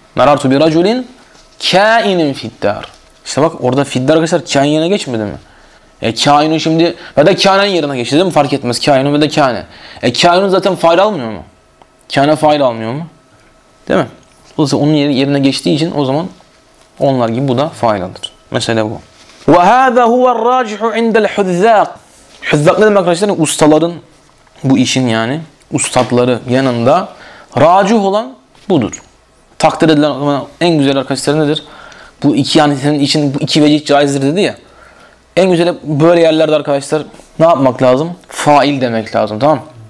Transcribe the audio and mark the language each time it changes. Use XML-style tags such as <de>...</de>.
<ar>Merartu bir raculin kainin fiddar.</ar> <tr>İşte bak orada fiddar arkadaşlar kain yerine geçmedi mi? Kainun şimdi ya da kâne yerine geçti değil mi? Fark etmez. Kainun ve de kâne. Kainun zaten fail almıyor mu? Kâne fail almıyor mu? Değil mi? Dolayısıyla onun yerine geçtiği için o zaman onlar gibi bu da fail alır. Mesele bu.</tr> <ar>وَهَذَا هُوَ الرَّاجِحُ عِنْدَ الْحُذَّاقِ</ar> <tr>Hüzzak ne demek arkadaşlar? Ustaların bu işin yani ustaları yanında racih olan budur. Takdir edilen en güzel arkadaşlar nedir? Bu iki yani senin için bu iki vecih caizdir dedi ya. En güzel böyle yerlerde arkadaşlar ne yapmak lazım? Fail demek lazım, tamam mı?</tr>